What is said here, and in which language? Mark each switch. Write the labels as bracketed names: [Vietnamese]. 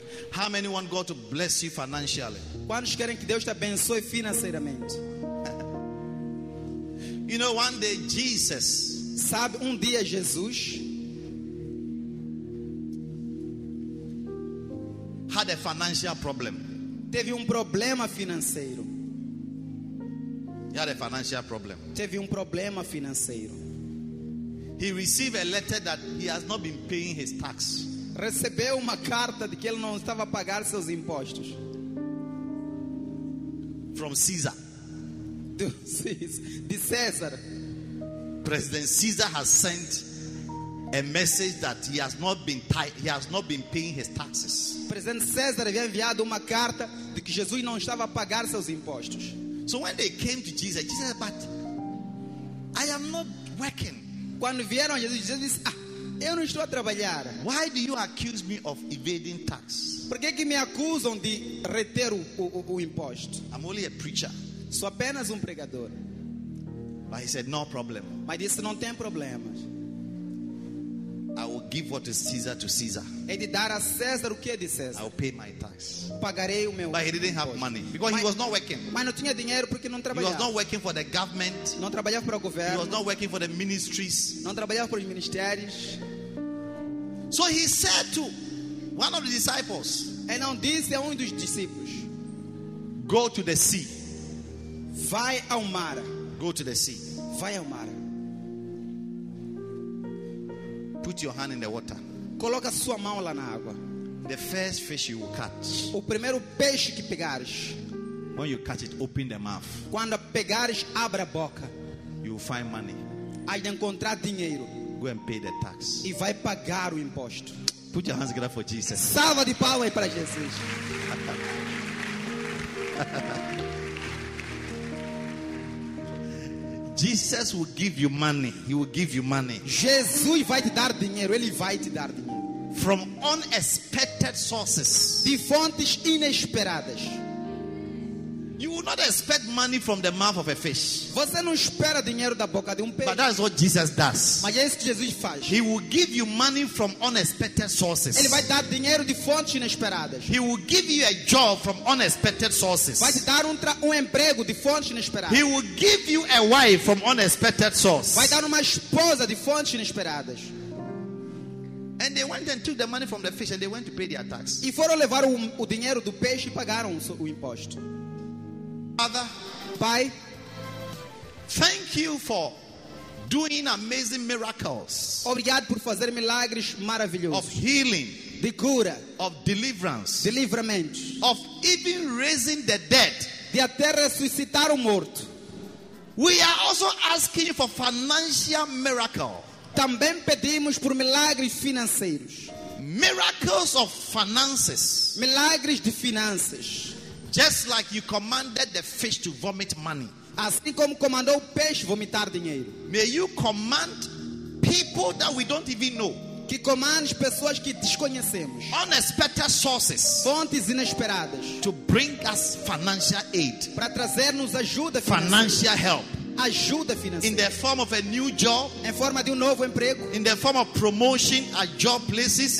[English] How many want God to bless you financially? [Portuguese] Quantos querem que Deus te abençoe financeiramente? [English] You know, one day Jesus. [Portuguese] Sabe, dia Jesus [English] had a financial problem. [Portuguese] Teve problema financeiro. [English] He had a financial problem. [Portuguese] Teve problema financeiro. [English] He received a letter that he has not been paying his tax. [Portuguese] Recebeu uma carta de que ele não estava a pagar seus impostos. [English] From Caesar. [Portuguese] De César. [English] President Caesar has sent a message that he has not been paying his taxes. [Portuguese] Presidente César havia enviado uma carta de que Jesus não estava a pagar seus impostos. [English] So when they came to Jesus, Jesus said, "But I am not working." [Portuguese] Quando vieram a Jesus, Jesus disse, "Ah, eu não estou a trabalhar." [English] Why do you accuse me of evading tax? [Portuguese] Por que me acusam de reter o imposto? [English] I'm only a preacher. [Portuguese] Sou apenas pregador. [English] But he said, "No problem." [Portuguese] Mas disse, "Não tem problemas." [English] I will give what is Caesar to Caesar. [Portuguese] É de dar a César o que é de César. [English] I will pay my tax. [Portuguese] Pagarei o meu. [English] But he didn't have money because he was not working. [Portuguese] Mas não tinha dinheiro porque não trabalhava. [English] He was not working for the government. [Portuguese] Não trabalhava para o governo. [English] He was not working for the ministries. [Portuguese] Não trabalhava para os ministérios. [English] So he said to one of the disciples. [Portuguese] Então disse a dos discípulos. [English] Go to the sea. [Portuguese] Vai ao mar. [English] Go to the sea. [Portuguese] Vai ao mar. [English] Put your hand in the water. [Portuguese] Coloca sua mão lá na água. [English] The first fish you will catch. [Portuguese] O primeiro peixe que pegares. [English] When you catch it, open the mouth. [Portuguese] Quando pegares, abre a boca. [English] You will find money. [Portuguese] Aí encontrar dinheiro. [English] Go and pay the tax. [Portuguese] E vai pagar o imposto. [English] Put your hands together for Jesus. [Portuguese] Salva de palmas para Jesus. [English] Jesus will give you money. He will give you money. [Portuguese] Jesus vai te dar dinheiro. Ele vai te dar dinheiro. [English] From unexpected sources. [Portuguese] De fontes inesperadas. [English] You will not expect money from the mouth of a fish. [Portuguese] Você não espera dinheiro da boca de peixe. [English] But that is what Jesus does. [Portuguese] Mas é isso que Jesus faz. [English] He will give you money from unexpected sources. [Portuguese] Ele vai dar dinheiro de fontes inesperadas. [English] He will give you a job from unexpected sources. [Portuguese] Vai te dar emprego de fontes inesperadas. [English] He will give you a wife from unexpected sources. [Portuguese] Vai dar uma esposa de fontes inesperadas. [English] And they went and took the money from the fish and they went to pay their tax. [Portuguese] E foram levar o dinheiro do peixe e pagaram o imposto. [English] Father, [Portuguese] Pai, [English] thank you for doing amazing miracles. [Portuguese] Obrigado por fazer milagres maravilhosos. [English] Of healing, [Portuguese] de cura. [English] Of deliverance, [Portuguese] de livramento. [English] Of even raising the dead, [Portuguese] de até ressuscitar o morto. [English] We are also asking for financial miracle. [Portuguese] Também pedimos por milagres financeiros. [English] Miracles of finances. [Portuguese] Milagres de finanças. [English] Just like you commanded the fish to vomit money. [Portuguese] Assim como comandou o peixe vomitar dinheiro. [English] May you command people that we don't even know. [Portuguese] Que comandes pessoas que desconhecemos. [English] Unexpected sources. [Portuguese] Fontes inesperadas. [English] To bring us financial aid. [Portuguese] Para trazer-nos ajuda financeira. [English] Financial help. [Portuguese] Ajuda financeira. [English] In the form of a new job. [Portuguese] Em forma de novo emprego. [English] In the form of promotion at job places.